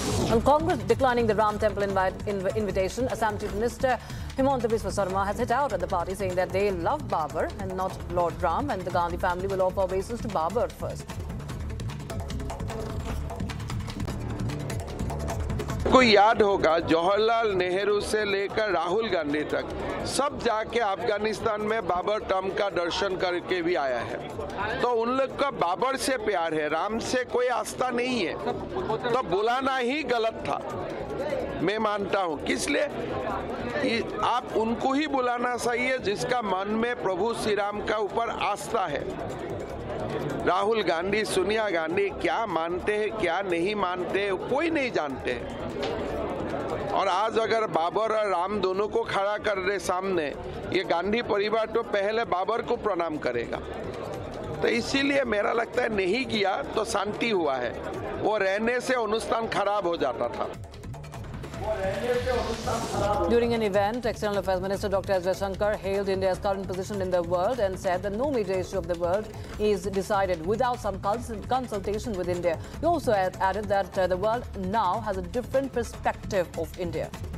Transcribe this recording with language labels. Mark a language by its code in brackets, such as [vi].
[en] And Congress declining the Ram Temple invitation, Assam Chief Minister Himanta Biswa Sarma has hit out at the party, saying that they love Babar and not Lord Ram, and the Gandhi family will offer obeisance to Babar first. [hi] आपको याद होगा जवाहरलाल नेहरू से लेकर राहुल गांधी तक सब जाके अफगानिस्तान में बाबर टम का दर्शन करके भी आया है, तो उन लोग का बाबर से प्यार है, राम से कोई आस्था नहीं है, तो बुलाना ही गलत था मैं मानता हूँ। किस लिए आप उनको ही बुलाना चाहिए जिसका मन में प्रभु श्री राम का ऊपर आस्था है। राहुल गांधी सोनिया गांधी क्या मानते हैं क्या नहीं मानते कोई नहीं जानते, और आज अगर बाबर और राम दोनों को खड़ा कर रहे सामने, ये गांधी परिवार तो पहले बाबर को प्रणाम करेगा। तो इसीलिए मेरा लगता है नहीं किया तो शांति हुआ है, वो रहने से अनुष्ठान खराब हो जाता था। [en] During an event, External Affairs Minister Dr. S. Jaishankar hailed India's current position in the world and said that no major issue of the world is decided without some consultation with India. He also added that the world now has a different perspective of India.